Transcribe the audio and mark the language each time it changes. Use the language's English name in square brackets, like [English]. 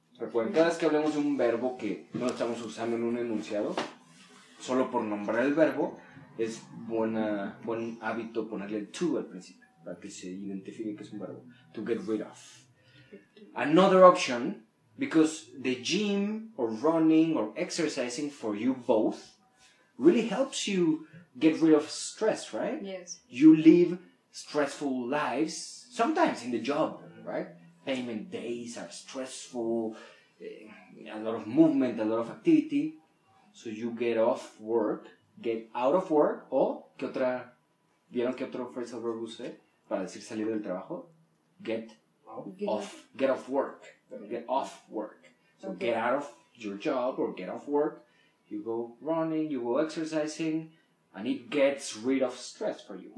[Spanish] Recuerden, cada vez que hablemos de un verbo que no estamos usando en un enunciado, solo por nombrar el verbo, es buen hábito ponerle to al principio, para que se identifique que es un verbo. [English] To get rid of. Another option, because the gym, or running, or exercising for you both, really helps you get rid of stress, right? Yes. You live stressful lives, sometimes in the job, right? Payment days are stressful, a lot of movement, a lot of activity. So you get off work, get out of work, [Spanish] o, ¿qué otra? ¿Vieron qué otro phrase el verbo usé para decir salir del trabajo? [English] Get off work. So okay. Get out of your job or get off work. You go running, you go exercising. And it gets rid of stress for you,